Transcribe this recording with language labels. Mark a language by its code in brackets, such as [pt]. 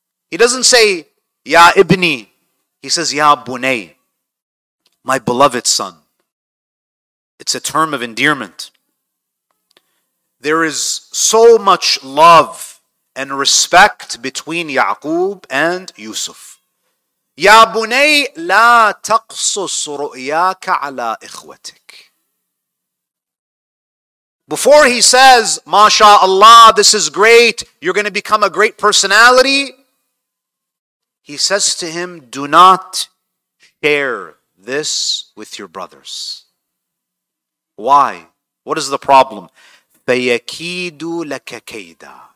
[en] He doesn't say, Ya Ibni. He says, Ya Bunay. My beloved son. It's a term of endearment. There is so much love and respect between Ya'qub and Yusuf. [ar] يا بني لا تقصص رؤياك على إخوتك. [en] Before he says, MashaAllah, this is great, you're going to become a great personality, he says to him, do not share this with your brothers. Why? What is the problem? [ar] فَيَكِيدُ لَكَ كَيْدًا.